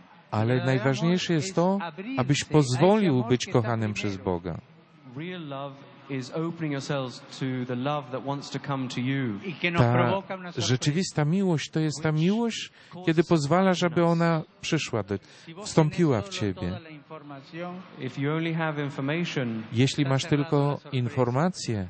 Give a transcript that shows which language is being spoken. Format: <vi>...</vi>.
<pl>Ale najważniejsze jest to, abyś pozwolił być kochanym przez Boga.</pl> <en>Real love is opening yourselves to the love that wants to come to you.</en> <pl>Ta rzeczywista miłość to jest ta miłość, kiedy pozwalasz, aby ona przyszła, wstąpiła w ciebie.</pl> <en>If you only have information,</en> <pl>jeśli masz tylko informację,</pl>